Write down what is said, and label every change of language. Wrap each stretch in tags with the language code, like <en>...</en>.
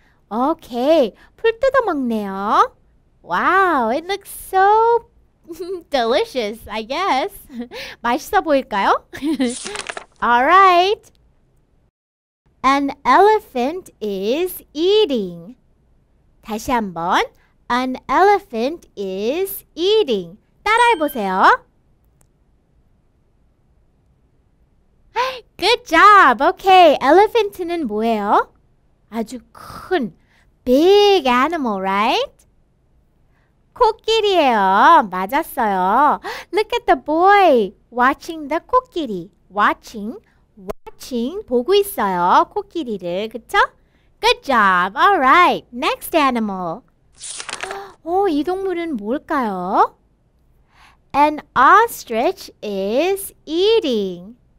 <en>Okay,</en> <ko>풀 뜯어 먹네요.</ko> <en>Wow, it looks so delicious, I guess.</en> <ko>맛있어 보일까요?</ko> <en>Alright. An elephant is eating.</en> <ko>다시 한번.</ko> <en>An elephant is eating.</en> <ko>따라해 보세요.</ko> <en>Good job! Okay,</en> <ko>elephant는 뭐예요? 아주 큰,</ko> <en>big animal, right?</en> <ko>코끼리예요. 맞았어요.</ko> <en>Look at the boy watching the 코끼리. Watching,</en> <ko>보고 있어요. 코끼리를, 그쵸?</ko> <en>Good job! Alright, next animal.</en> <ko>오, 이 동물은 뭘까요?</ko> <en>An ostrich is eating.</en>